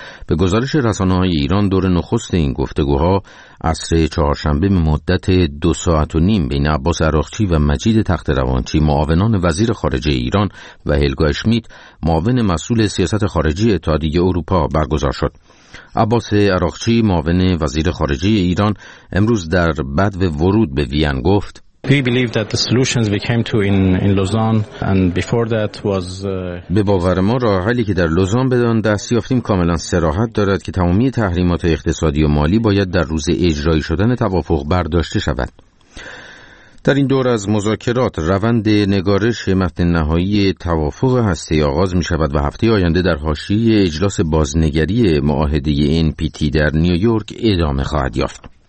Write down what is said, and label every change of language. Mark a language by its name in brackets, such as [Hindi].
[Persian] به گزارش رسانه‌های ایران دور نخست این گفتگوها عصر چهارشنبه مدت 2.5 ساعت بین عباس عراقچی و مجید تخت‌روانچی معاونان وزیر خارجه ایران و هلگا اشمیت معاون مسئول سیاست خارجی اتحادیه اروپا برگزار شد. عباس عراقچی معاون وزیر خارجه ایران امروز در بدو ورود به وین گفت: [English] We believe that the solutions we came to in Lausanne and before that was [Persian] به باور ما راه حلی که در لوزان بدان دست یافتیم کاملا صراحت دارد که تمامی تحریمات اقتصادی و مالی باید در روز اجرایی شدن توافق برداشته شود. در این دور از مذاکرات روند نگارش متن نهایی توافق هسته‌ای آغاز می شود و هفته آینده در حاشیه اجلاس بازنگری معاهده NPT در نیویورک ادامه خواهد یافت.